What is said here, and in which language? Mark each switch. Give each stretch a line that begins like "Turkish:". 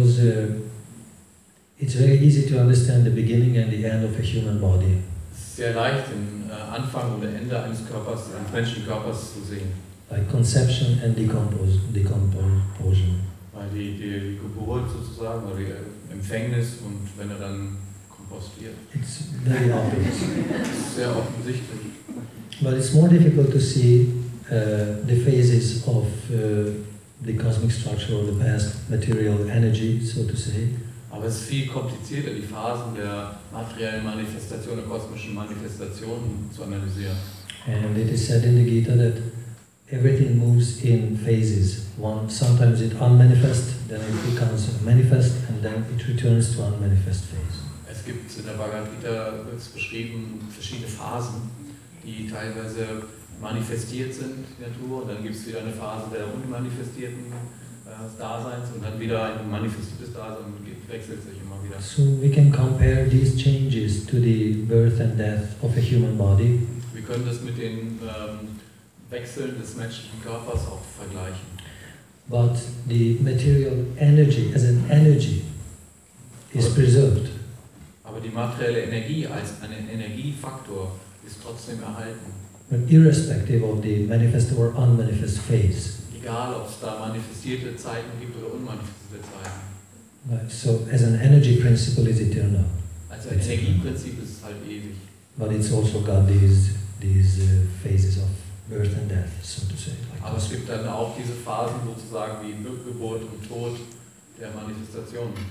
English: Because it's very easy to understand the beginning and the end of a human body.
German: Sehr leicht, den Anfang oder Ende eines Körpers, eines menschlichen Körpers zu sehen.
English: Like conception and decomposition.
German: Weil die Geburt sozusagen oder die Empfängnis und wenn er dann
English: it's very obvious.
German: Sehr offensichtlich.
English: But it's more difficult to see the phases of the cosmic structure of the past material energy, so to say.
German: Aber es ist viel komplizierter, die Phasen der materiellen Manifestation, der kosmischen Manifestation zu analysieren.
English: And it is said in the Gita that everything moves in phases. One, sometimes it unmanifests, then it becomes manifest, and then it returns to unmanifest phase.
German: Es gibt in der Bhagavad Gita beschrieben verschiedene Phasen, die teilweise manifestiert sind in der Natur. Und dann gibt es wieder eine Phase der unmanifestierten Daseins und dann wieder ein manifestiertes Dasein und wechselt sich immer wieder.
English: So we can compare these changes to the birth and death of a human body.
German: Wir können das mit den Wechseln des menschlichen Körpers auch vergleichen.
English: But the material energy as an energy is preserved.
German: Aber die materielle Energie als ein Energiefaktor ist trotzdem erhalten.
English: But irrespective of the manifest or unmanifest phase.
German: Egal, ob es da manifestierte Zeiten gibt oder unmanifestierte Zeiten.
English: Right. So, as an energy principle is eternal.
German: Also ein Energieprinzip ist halt ewig.
English: But it's also got these phases of birth and death, so to say.
German: Like aber es gibt dann auch diese Phasen sozusagen wie Geburt und Tod der Manifestation.